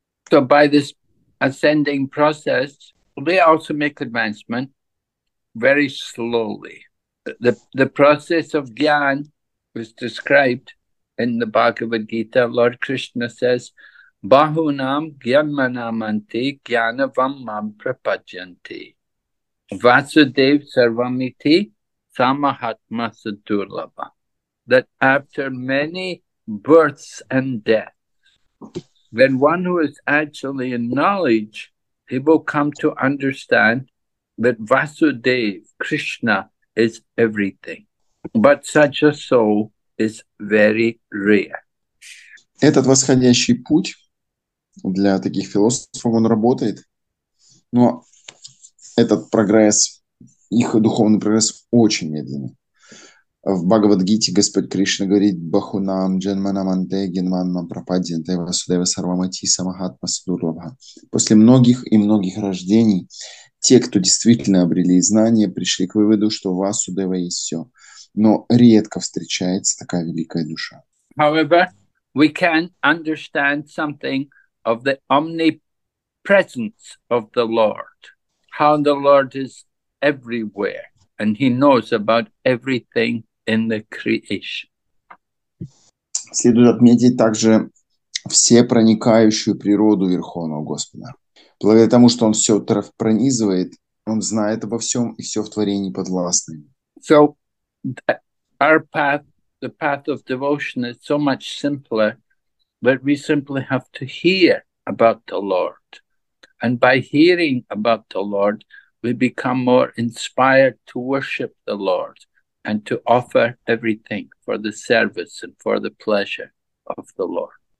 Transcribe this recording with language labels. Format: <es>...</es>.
<en>So by this ascending process, they also make advancement very slowly. The process of jnana was described in the Bhagavad Gita. Lord Krishna says,</en> <sa>Bahunam gyanmanamanti gyanavam mam prapajanti. Vasudev sarvamiti samahatma sadurlava.</sa> <en>That after many births and deaths, then one who is actually in knowledge, he will come to understand that Vasudev, Krishna, is everything. But such a soul is very rare.</en> <ru>Этот восходящий путь для таких философов, он работает, но этот прогресс, их духовный прогресс очень медленный. В Бхагавадгите Господь Кришна говорит:</ru> <sa>«Бахунам джанманаманте генманам прападьянте васудева сарвамати самахатма судурлабха».</sa> <ru>После многих и многих рождений те, кто действительно обрели знания, пришли к выводу, что у Васудева есть все. Но редко встречается такая великая душа.</ru> <en>However, we can understand something of the omnipresence of the Lord, how the Lord is everywhere, and he knows about everything in the creation.</en> <ru>Следует отметить также всепроникающую природу Верховного Господа. Благодаря тому, что он все пронизывает, он знает обо всем и все в творении подвластно.</ru> <en>So, our path, the path of devotion is so much simpler, but we simply have to hear about the Lord. And by hearing about the Lord, we become more inspired to worship the Lord and to offer everything for the service and for the pleasure of the Lord.</en>